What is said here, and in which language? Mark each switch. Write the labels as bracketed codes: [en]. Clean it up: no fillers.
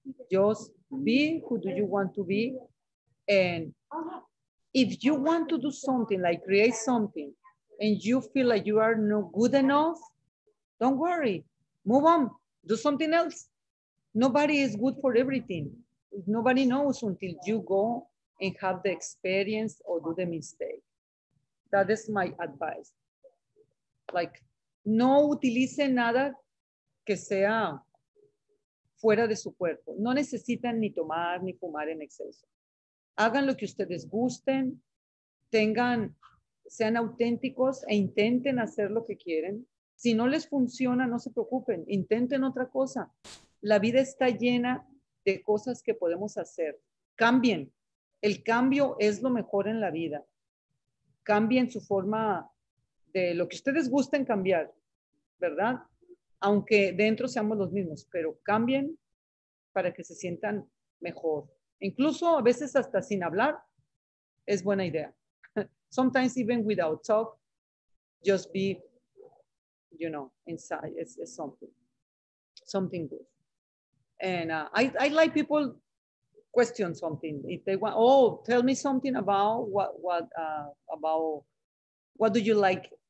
[en] Just be who do you want to be. And if you want to do something, like create something, and you feel like you are not good enough, don't worry, move on, do something else. Nobody is good for everything. Nobody knows until you go and have the experience or do the mistake. That is my advice. [es] Like, no utilice nada que sea fuera de su cuerpo. No necesitan ni tomar ni fumar en exceso. Hagan lo que ustedes gusten, tengan, sean auténticos e intenten hacer lo que quieren. Si no les funciona, no se preocupen, intenten otra cosa. La vida está llena de cosas que podemos hacer. Cambien. El cambio es lo mejor en la vida. Cambien su forma de lo que ustedes gusten cambiar, ¿verdad? Aunque dentro seamos los mismos, pero cambien para que se sientan mejor. Incluso a veces hasta sin hablar es buena idea. [en] Sometimes even without talk, just be, you know, inside. It's something good. And I like people question something. If they want, oh, tell me something about what do you like?